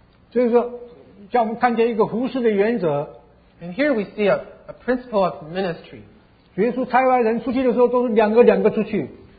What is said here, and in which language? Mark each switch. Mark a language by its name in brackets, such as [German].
[Chinese] 就是说,叫我们看见一个服事的原则, [English] and here we see a principle of ministry. [Chinese] 耶稣差派人出去的时候都是两个两个出去,